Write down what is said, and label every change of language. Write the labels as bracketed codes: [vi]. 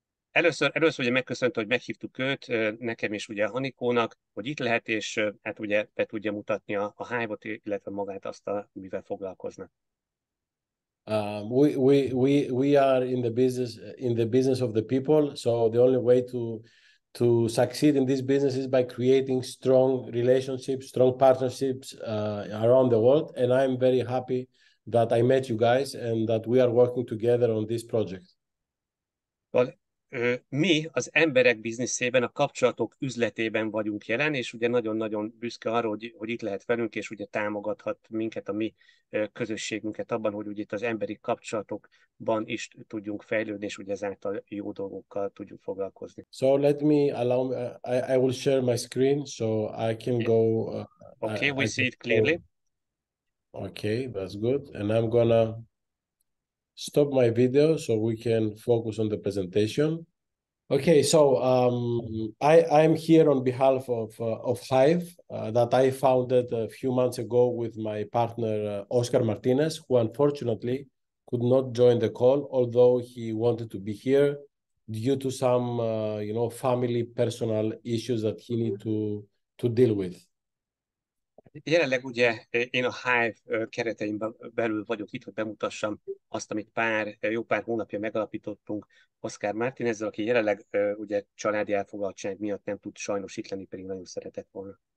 [hu] Először ugye megköszönt, hogy meghívtuk őt, nekem is ugye Anikónak, hogy itt lehet, és hát ugye be tudja mutatni a Hive-ot, illetve magát azt, amivel foglalkoznak. [en] We are in the business of the people, so the only way to succeed in this business is by creating strong relationships, strong partnerships around the world, and I'm very happy that I met you guys and that we are working together on this project. [hu] Well, mi az emberek bizniszében, a kapcsolatok üzletében vagyunk jelen, és ugye nagyon-nagyon büszke arra, hogy itt lehet velünk, és ugye támogathat minket, a mi közösségünket abban, hogy ugye itt az emberi kapcsolatokban is tudjunk fejlődni, és ugye ezáltal jó dolgokkal tudjunk foglalkozni. [en] So I will share my screen, so I can go... Okay, we see it clearly. Okay, that's good. And I'm gonna stop my video so we can focus on the presentation. Okay, so I'm here on behalf of Hive that I founded a few months ago with my partner Oscar Martinez, who unfortunately could not join the call, although he wanted to be here due to some family personal issues that he need to deal with. [hu] Jelenleg ugye én a Hive keretein belül vagyok itt, hogy bemutassam azt, amit jó pár hónapja megalapítottunk Oscar Martinezzel, aki jelenleg ugye családi elfoglaltság miatt nem tud sajnos itt lenni, pedig nagyon szeretett volna.